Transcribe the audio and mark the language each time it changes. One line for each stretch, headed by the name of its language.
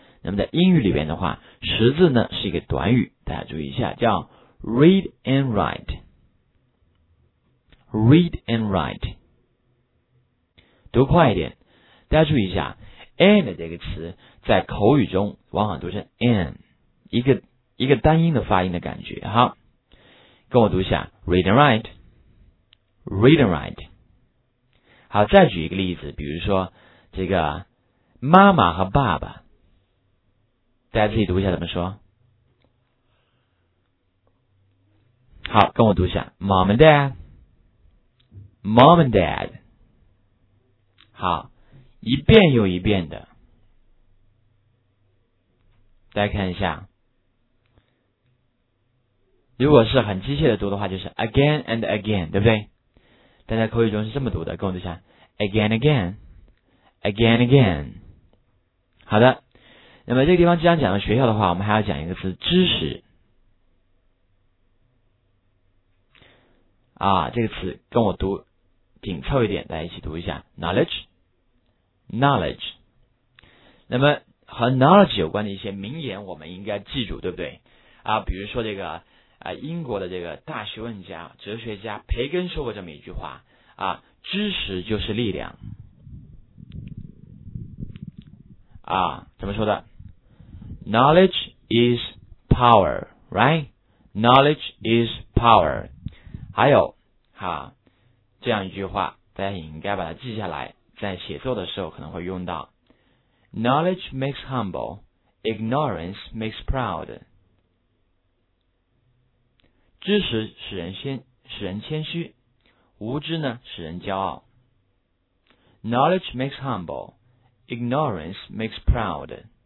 Chinese: 那么在英语里边的话，识字呢是一个短语，大家注意一下，叫
English: read and write。 read and write。
Chinese: 读快一点，大家注意一下 ，and 这个词在口语中往往读成 and， 一个单音的发音的感觉哈。跟我读一下
English: ，read and write，read and write。
Chinese: 好，再举一个例子，比如说这个妈妈和爸爸，大家自己读一下怎么说。
English: 好，
Chinese: 跟我读一下
English: ，mom and dad，mom and dad。
Chinese: 好，一遍又一遍的，大家看一下，如果是很机械的读的话，就是
English: again and again，
Chinese: 对不对？但在口语中是这么读的，跟我读一下
English: again again again again。
Chinese: 好的，那么这个地方既然讲了学校的话，我们还要讲一个词，知识啊，这个词跟我读紧凑一点，大家一起读一下 knowledge。 Knowledge， 那么和 knowledge 有关的一些名言，我们应该记住，对不对？啊，比如说这个英国的这个大学问家、哲学家培根说过这么一句话啊：知识就是力量。
English: 啊，
Chinese: 怎么说的
English: ？Knowledge is power, right? Knowledge is power。
Chinese: 还有哈、啊，这样一句话，大家也应该把它记下来。在写作的时候可能会用到
English: Knowledge makes humble, ignorance makes proud。
Chinese: 知识使人谦虚，无知呢使人骄傲。
English: Knowledge makes humble, ignorance makes proud。